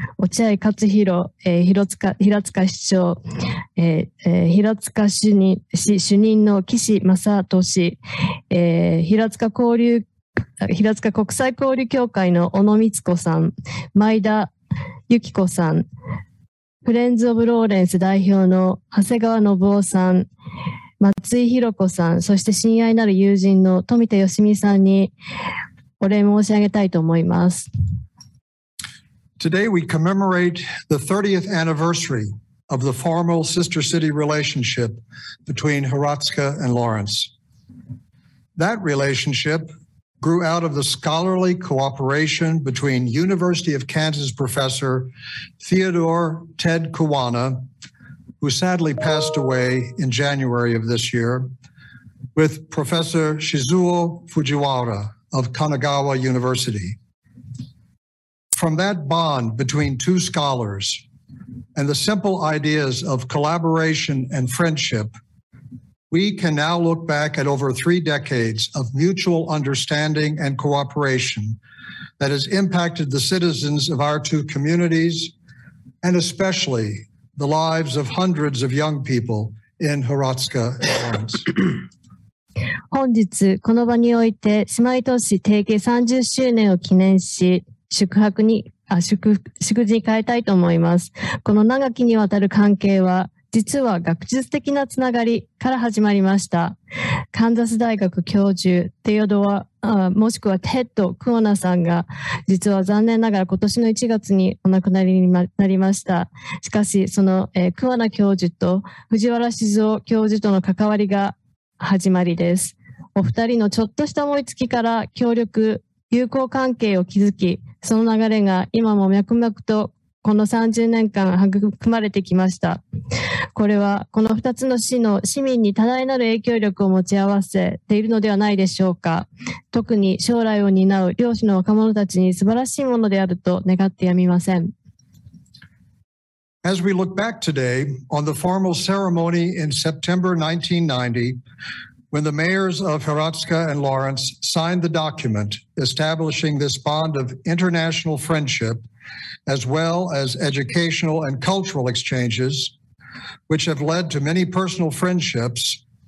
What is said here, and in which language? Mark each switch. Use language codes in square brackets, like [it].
[ja] 落合勝弘、平塚市長、平塚主任の岸正人氏、平塚国際交流協会の小野光子さん、前田由紀子さん、フレンズ・オブ・ローレンス代表の長谷川信夫さん、松井弘子さん、そして親愛なる友人の富田芳美さんにお礼申し上げたいと思います。 [en] Today we commemorate the 30th anniversary of the formal sister city relationship between Hrvatska and Lawrence. That relationship grew out of the scholarly cooperation between University of Kansas professor Theodore Ted Kawana, who sadly passed away in January of this year, with Professor Shizuo Fujiwara of Kanagawa University. From that bond between two scholars and the simple ideas of collaboration and friendship,We can now look back at over three decades of mutual understanding and cooperation that has impacted the citizens of our two communities and especially the lives of hundreds of young people in Hrvatska and Lawrence. [ja] 本日この場において姉妹都市提携30周年を記念し祝辞に変えたいと思います。この長きにわたる関係は実は学術的なつながりから始まりました。カンザス大学教授、テオドア、もしくはテッド・クオナさんが、実は残念ながら今年の1月にお亡くなりになりました。しかし、その、クオナ教授と藤原静雄教授との関わりが始まりです。お二人のちょっとした思いつきから協力、友好関係を築き、その流れが今も脈々とこの30年間育まれてきました。これはこの2つの市の市民に多大なる影響力を持ち合わせているのではないでしょうか。特に将来を担う両市の若者たちに素晴らしいものであると願ってやみません。 [en] As we look back today on the formal ceremony in September 1990, when the mayors of Hrvatska and Lawrence signed the document establishing this bond of international friendship, as well as educational and cultural exchanges, which have led to many personal friendships,